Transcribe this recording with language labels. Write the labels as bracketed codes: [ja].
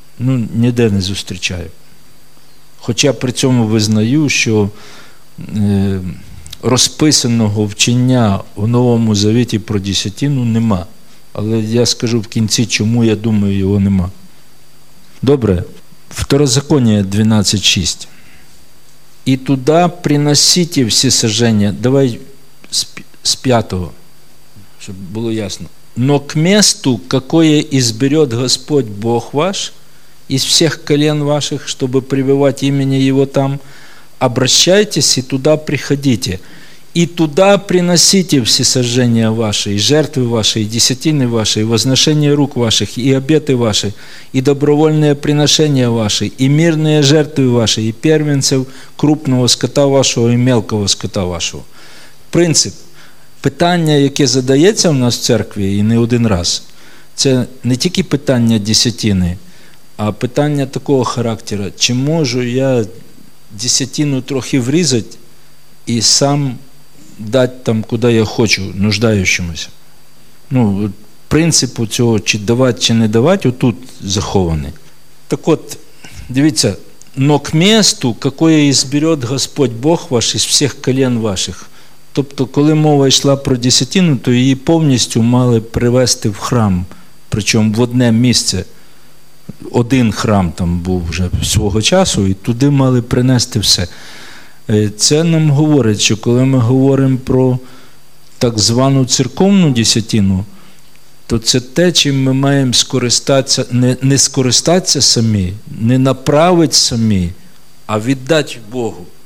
[uk] Ну, ніде не зустрічаю. Хоча при цьому визнаю, що розписаного вчення в Новому Завіті про десятину нема. Але я скажу в кінці, чому я думаю, його нема. Добре. Второзаконія 12.6. «І туди приносите всі сожжения». Давай з п'ятого, щоб було ясно. [ru] «Но к месту, какое изберет Господь Бог ваш, из всех колен ваших, чтобы пребывать имени Его там, обращайтесь и туда приходите». и туда приносите всесожжения ваши, и жертвы ваши, и десятины ваши, и возношение рук ваших, и обеты ваши, и добровольные приношения ваши, и мирные жертвы ваши, и первенцев крупного скота вашего, и мелкого скота вашего». [uk] Принцип. Питання, яке задається в нас в церкві, і не один раз, це не тільки питання десятини, а питання такого характеру. Чи можу я десятину трохи врізати і сам дати там, куди я хочу, нуждаючимося? Ну, принципу цього, чи давати, чи не давати, отут захований. Так от, дивіться, [ru] «но к месту, какое изберет Господь Бог ваш из всех колен ваших». [uk] Тобто, коли мова йшла про десятину, то її повністю мали привезти в храм, причому в одне місце. Один храм там був вже свого часу, і туди мали принести все. Це нам говорить, що коли ми говоримо про так звану церковну десятину, то це те, чим ми маємо скористатися, не скористатися самі, не направити самі, а віддати Богу.